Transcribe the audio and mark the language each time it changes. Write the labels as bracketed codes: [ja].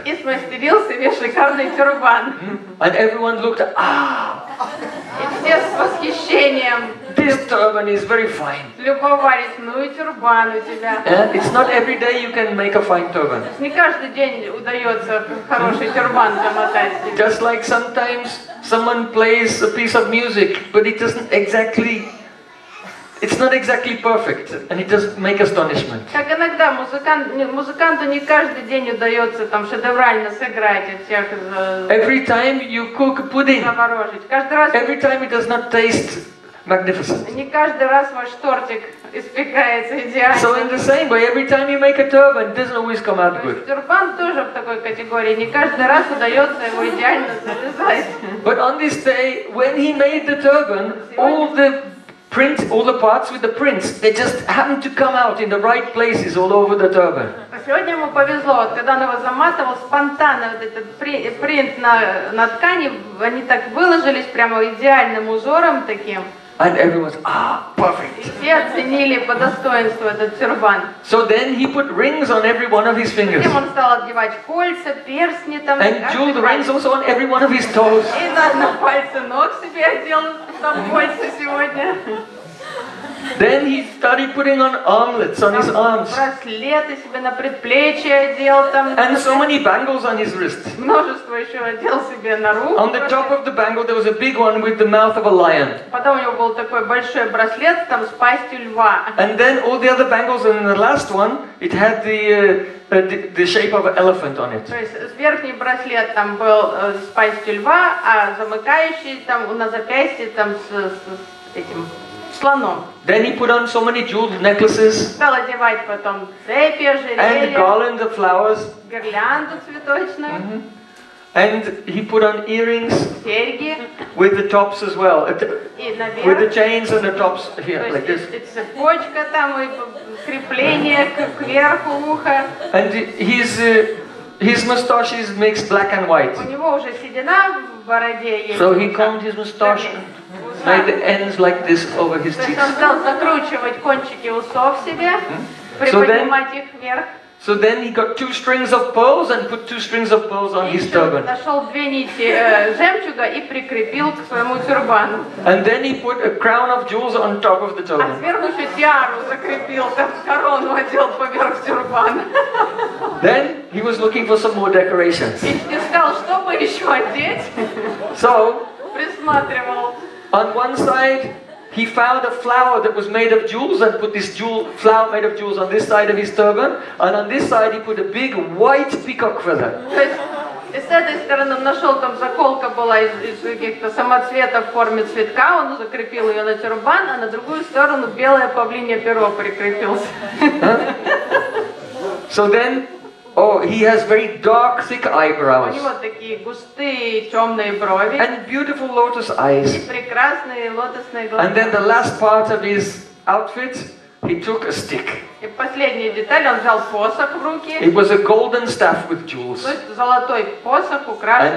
[ru] И смастерил себе шикарный тюрбан. [en] And everyone looked, [ru] И все с восхищением. [en] This turban is very fine. [ru] Любовались, ну и тюрбан у тебя. [en] Yeah? It's not every day you can make a fine turban. [ru] Не каждый день удается хороший тюрбан замотать. [en] Just like sometimes someone plays a piece of music, but it doesn't exactly It's not exactly perfect, and it doesn't make astonishment. [ru] Так иногда музыканту не каждый день удается там шедеврально сыграть от всех. [en] Every time you cook pudding. [ru] Заморозить. Каждый раз. [en] Every time it does not taste magnificent. [ru] Не каждый раз ваш тортик испекается идеально. [en] So in the same way, every time you make a turban, it doesn't always come out good. [ru] Тюрбан тоже в такой категории. Не каждый раз удается его идеально завязать. [en] But on this day, when he made the turban, all the parts with the prints, they just happened to come out in the right places all over the turban. [ru] Сегодня ему повезло, когда он его заматывал, спонтанно вот этот принт на ткани, они так выложились прямо идеальным узором таким. [en] And everyone's perfect. [ru] И все оценили по достоинству этот тюрбан. [en] So then he put rings on every one of his fingers. [ru] Затем он стал одевать кольца, перстни там. [en] And jeweled rings also on every one of his toes. [ru] И на пальцы ног себе одел там кольца сегодня. [en] Then he started putting on armlets on his arms. [ru] Браслеты себе на предплечье одел там. [en] And so many bangles on his wrists. [ru] Множество еще одел себе на руку. [en] On the top of the bangle there was a big one with the mouth of a lion. [ru] Потом у него был такой большой браслет там с пастью льва. [en] And then all the other bangles and the last one it had the shape of an elephant on it. [ru] То есть верхний браслет там был с пастью льва, а замыкающий там на запястье там с этим. [en] Then he put on so many jeweled necklaces. [ru] Стал одевать потом цепи, ожерелья. [en] And garlands of flowers. [ru] Гирлянду цветочную. Mm-hmm. [en] And he put on earrings. [ru] Серьги. [en] With the tops as well. [ru] И наверх. [en] With the chains and the tops here, like this. [ru] Цепочка там и крепление кверху уха. [en] And his mustache is mixed black and white. [ru] У него уже седина в бороде есть. [en] So he combed his mustache. Made the ends like this over his teeth. [ru] Он стал закручивать кончики усов себе, приподнимать их вверх. [en] So then he got two strings of pearls and put two strings of pearls on his turban. [ru] Нашел две нити жемчуга и прикрепил к своему тюрбану. [en] And then he put a crown of jewels on top of the turban. [ru] А сверху еще тиару закрепил, там корону одел поверх тюрбана. [en] Then he was looking for some more decorations. [ru] И искал, чтобы еще одеть. [en] So. [ru] Присматривал. [en] On one side, he found a flower that was made of jewels and put this jewel flower made of jewels on this side of his turban. And on this side, he put a big white peacock feather. [ru] И с этой стороны он нашел там заколка была из каких-то самоцветов в форме цветка, он закрепил ее на тюрбан, а на другую сторону белое павлинье перо прикрепился. [en] So then, he has very dark, thick eyebrows. [ru] У него такие густые, темные брови. [en] And beautiful lotus eyes. [ru] И прекрасные лотосные глаза. [en] And then the last part of his outfit, he took a stick. [ru] И последняя деталь, он взял посох в руки. [en] It was a golden staff with jewels. [ru] То есть золотой посох, украшенный.